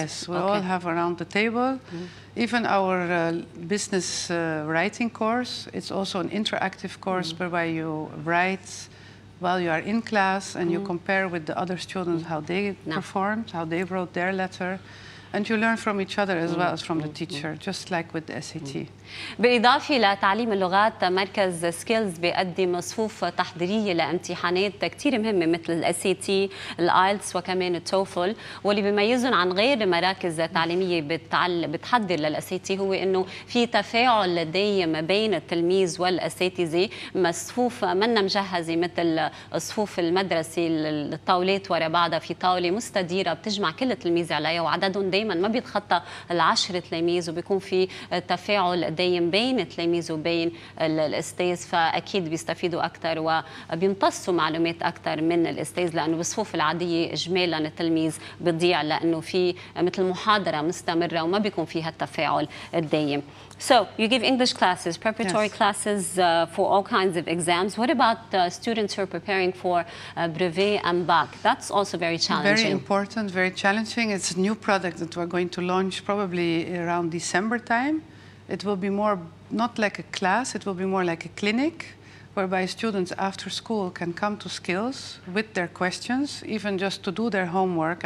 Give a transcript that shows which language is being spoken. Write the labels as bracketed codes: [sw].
[en] Yes, we all have around the table. Mm-hmm. Even our business writing course, it's also an interactive course mm-hmm. whereby you write while you are in class and mm-hmm. you compare with the other students how they performed, how they wrote their letter. And you learn from each other as mm-hmm. well as from mm-hmm. the teacher, just like with the SAT. [ar] بالإضافة لتعليم اللغات، مركز سكيلز بيقدم صفوف تحضيرية لامتحانات كتير مهمة مثل الـ SAT، الآيلتس وكمان التوفل، واللي بيميزهم عن غير مراكز تعليمية بتحضر للـ SAT هو إنه في تفاعل دائم بين التلميذ والأساتذة، مصفوف منا مجهزة مثل صفوف المدرسة، الطاولات ورا بعضها في طاولة مستديرة بتجمع كل التلميذ عليها وعددهم دائما ما بيتخطى العشر تلاميذ وبيكون في تفاعل دايم بين التلاميذ وبين الاستاذ فاكيد بيستفيدوا اكثر وبيمتصوا معلومات اكثر من الاستاذ لانه بالصفوف العاديه اجمالا التلميذ بيضيع لانه في مثل محاضره مستمره وما بيكون فيها التفاعل الدايم. [en] So you give English classes, preparatory yes. classes for all kinds of exams. What about students who are preparing for brevet and bac? That's also very challenging. Very important, very challenging. It's a new product that we're going to launch probably around December time. It will be more, not like a class, it will be more like a clinic whereby students after school can come to Skillz with their questions, even just to do their homework.